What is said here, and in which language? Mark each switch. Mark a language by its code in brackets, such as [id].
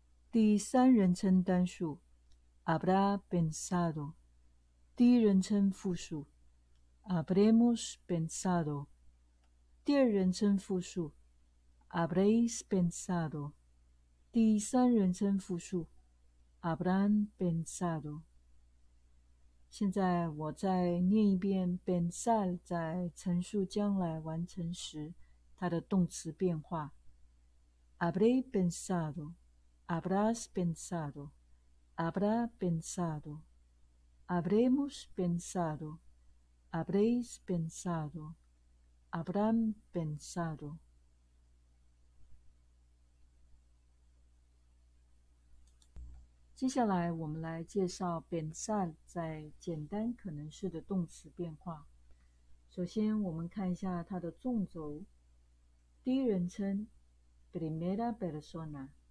[zh] 第三人称单数 [es] habrá pensado， [zh] 第一人称复数 [es] habremos pensado， [zh] 第二人称复数 [es] habréis pensado， [zh] 第三人称复数 [es] habrán pensado。 [zh] 现在我再念一遍 pensar 在陈述将来完成时它的动词变化 [es] habré pensado。 Habrás pensado, habrá pensado, habremos pensado, habréis pensado, habrán pensado. Sí. [zh] 接下来，我们来介绍 pensar 在简单可能式的动词变化。首先，我们看一下它的纵轴：第一人称 [es] （primera persona）。